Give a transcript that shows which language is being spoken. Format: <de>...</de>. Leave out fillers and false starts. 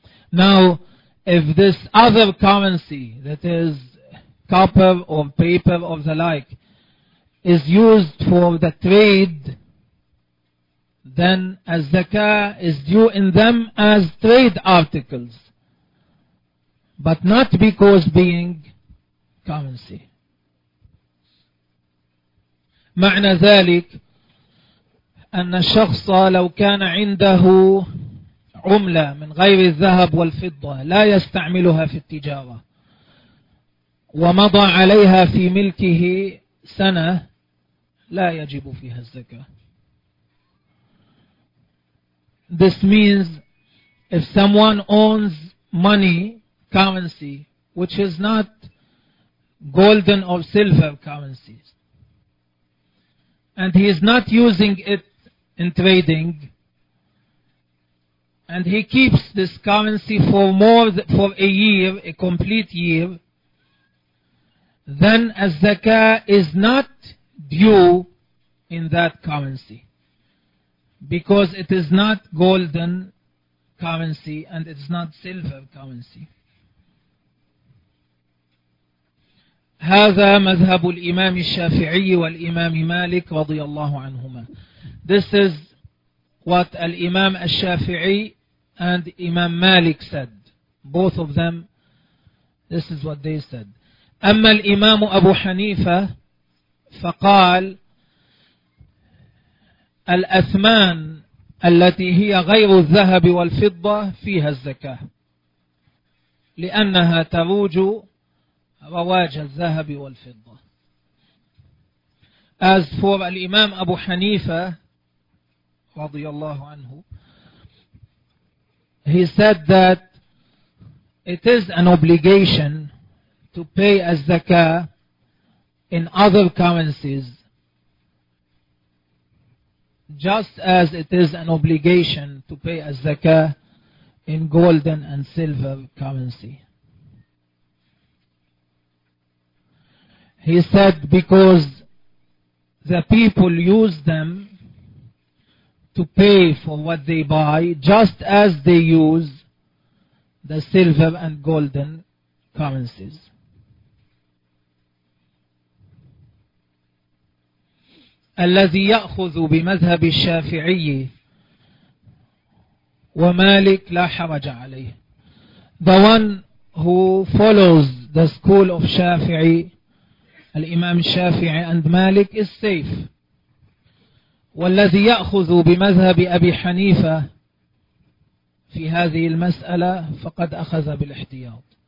<en>Now if this other currency, that is copper or paper or the like, is used for the trade, then az-zakah is due in them as trade articles, but not because being currency.</en> <ar>معنى ذلك أن الشخص لو كان عنده عملة من غير الذهب والفضة لا يستعملها في التجارة ومضى عليها في ملكه سنة لا يجب فيها الزكاة.</ar> <en>This means if someone owns money currency which is not golden or silver currencies and he is not using it in trading and he keeps this currency for a year, a complete year, then الزكاة is not due in that currency because it is not golden currency and it is not silver currency.</en> <ar>هذا مذهب الإمام الشافعي والإمام مالك رضي الله عنهما.</ar> <en>This is what الإمام الشافعي and Imam Malik said. Both of them, this is what they said.</en> <ar>أما الإمام أبو حنيفة فقال الأثمان التي هي غير الذهب والفضة فيها الزكاة لأنها تروج رواج الذهب والفضة.</ar> <en>As for</en> <ar>الإمام أبو حنيفة رضي الله عنه,</ar> <en>he said that it is an obligation to pay الزكاة in other currencies, just as it is an obligation to pay a zakah in golden and silver currency. He said because the people use them to pay for what they buy, just as they use the silver and golden currencies.</en> <ar>الذي يأخذ بمذهب الشافعي ومالك لا حرج عليه.</ar> <en>The one who follows the school of Shafi'i, الإمام الشافعي and Malik, is safe.</en> <ar>والذي يأخذ بمذهب أبي حنيفة في هذه المسألة فقد أخذ بالاحتياط.</ar>